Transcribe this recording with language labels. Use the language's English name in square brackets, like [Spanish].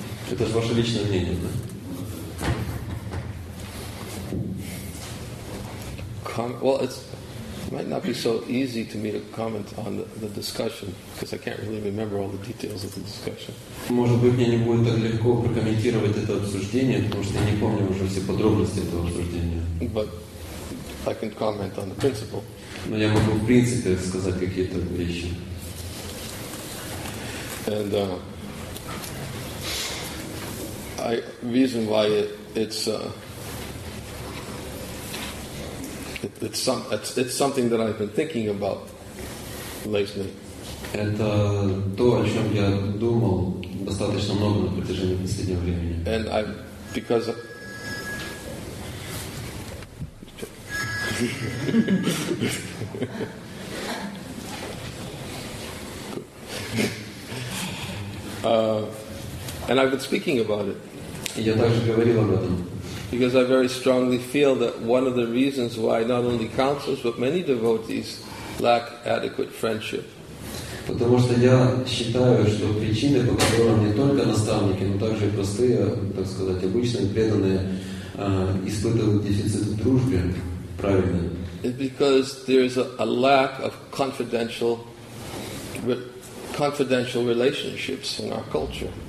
[Russian] Это ваше личное мнение, да? [English] It might not be so easy to me to comment on the discussion because I can't really remember all the details of the discussion. [Russian] Может быть, мне не будет так легко прокомментировать это обсуждение, потому что я не помню уже все подробности этого обсуждения. [English] But I can comment on the principle. [Russian] Но я могу в принципе сказать какие-то вещи. [English] And reason why it's it's something that I've been thinking about lately. [Russian] Это то, о чем я думал достаточно много на протяжении последнего времени. [English] And I, because of... And I've been speaking about it. [Russian] Я также говорил об этом. [English] Because I very strongly feel that one of the reasons why not only counselors but many devotees lack adequate friendship. [Russian] Потому что я считаю, что причины, по которым не только наставники, но также простые, так сказать, обычные преданные испытывают дефицит в дружбе, правильно? [English] It's because there's a lack of confidential relationships in our culture.